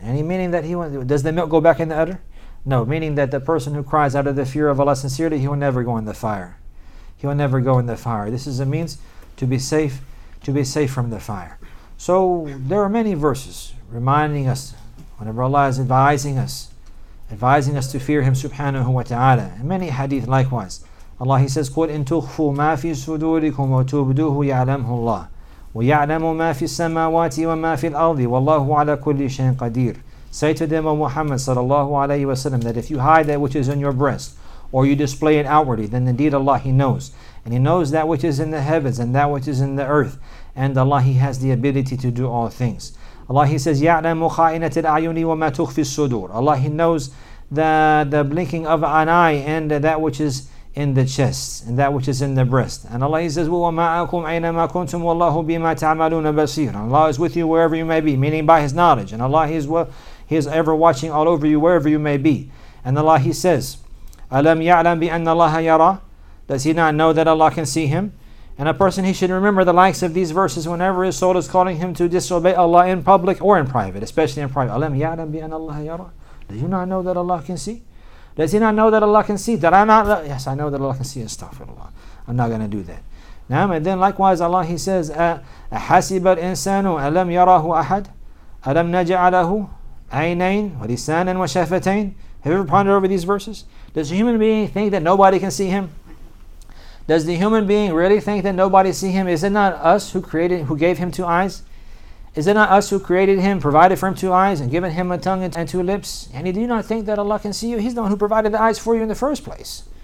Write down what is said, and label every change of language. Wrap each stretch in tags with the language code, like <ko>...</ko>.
<en>And meaning that does the milk go back in the udder? No, meaning that the person who cries out of the fear of Allah sincerely, he will never go in the fire. He will never go in the fire. This is a means to be safe from the fire. So there are many verses reminding us, whenever Allah is advising us to fear Him subhanahu wa ta'ala. And many hadith likewise. Allah, He says,</en> <ar>قُلْ إِن تُخْفُوا مَا فِي صُدُورِكُمْ وَتُبْدُوهُ يَعْلَمْهُ اللَّهُ وَيَعْلَمُ مَا فِي السَّمَاوَاتِ وَمَا فِي الْأَرْضِ وَاللَّهُ عَلَى كُلِّ شَيْءٍ قَدِيرٍ.</ar> <en>Say to them, O Muhammad sallallahu alayhi wa sallam, that if you hide that which is in your breast, or you display it outwardly, then indeed Allah, He knows. And He knows that which is in the heavens and that which is in the earth. And Allah, He has the ability to do all things. Allah, He says,</en> <ar>يَعْلَمُ خَائِنَةِ الْأَعْيُنِ وَمَا تُخْفِي الصُّدُورِ.</ar> <en>Allah, He knows the blinking of an eye and that which is in the chest and that which is in the breast. And Allah, He says,</en> <ar>وَمَعَكُمْ أَيْنَمَا كُنْتُمْ وَاللَّهُ بِمَا تَعْمَلُونَ بَصِيرٌ.</ar> <en>Allah is with you wherever you may be, meaning by His knowledge. And Allah, He is ever watching all over you wherever you may be. And Allah, He says,</en> <ar>أَلَمْ يَعْلَمْ بِأَنَّ اللَّهَ يَرَى.</ar> <en>Does He not know that Allah can see him? And a person, he should remember the likes of these verses whenever his soul is calling him to disobey Allah in public or in private, especially in private.</en> <ar>أَلَمْ يَعْلَمْ بِأَنَّ اللَّهَ يَرَى.</ar> <en>Do you not know that Allah can see? Does He not know that Allah can see? Yes, I know that Allah can see. Astaghfirullah. I'm not going to do that. Now, and then likewise, Allah, He says,</en> <ar>أَحَسِبَ الْإِنسَانُ أَلَمْ يَرَاهُ أَحَدٌ أَلَمْ نَجْعَلْ لَهُ عَيْنَيْنِ وَلِسَانًا وَشَفَتَيْنِ.</ar> <en>Have you ever pondered over these verses? Does a human being think that nobody can see him? Does the human being really think that nobody see him? Is it not us who gave him two eyes? Is it not us who created him, provided for him two eyes, and given him a tongue and two lips? And do you not think that Allah can see you? He's the one who provided the eyes for you in the first place.</en>